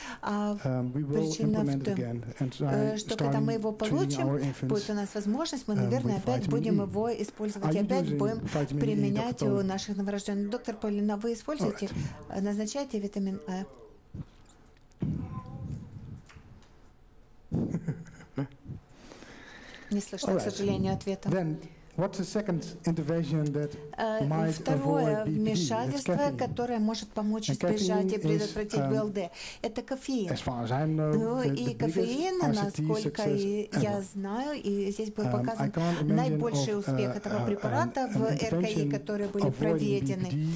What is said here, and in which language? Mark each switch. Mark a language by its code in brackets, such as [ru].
[ru] А причина в том, что когда мы его получим, будет у нас возможность, мы, наверное, опять будем его использовать, опять будем применять у наших новорожденных. Доктор Полина, вы используете, назначаете витамин А? Не слышно, к сожалению, ответа. [en] What's the second intervention that might avoid BPD? [ru] Второе вмешательство, которое может помочь избежать и предотвратить БЛД, это кофеин. [en] As far as I know, [ru] и кофеин, насколько я знаю, и здесь был показан наибольший успех этого препарата в РКИ, которые были проведены.